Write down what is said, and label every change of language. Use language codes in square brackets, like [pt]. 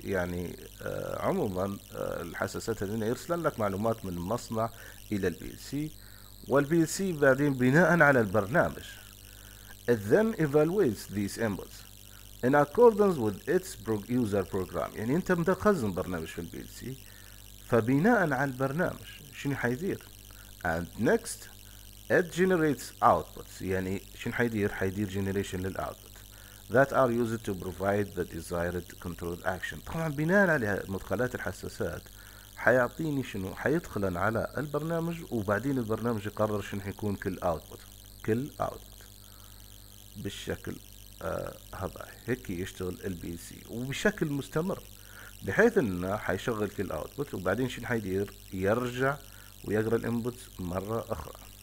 [ar] يعني عموما الحساسات هذه يرسلن لك معلومات من المصنع إلى البي ال سي والبي ال سي بعدين بناء على البرنامج [en] it then evaluates these inputs in accordance with its user program. [ar] يعني أنت متخزن برنامج في البي ال سي فبناء على البرنامج شنو حيدير. [en] And next, it generates outputs. [ar] يعني شن حيدير؟ حيدير [en] generation للoutput that are used to provide the desired controlled action. [ar] طبعا بناء على مدخلات الحساسات حيعطيني شنو، حيدخل على البرنامج وبعدين البرنامج يقرر شنو حيكون كل اوتبوت، كل اوتبوت بالشكل هذا. هيك يشتغل البي سي وبشكل مستمر، بحيث انه حيشغل كل اوتبوت وبعدين شنو حيدير، يرجع ويقرا الانبوت مره اخرى.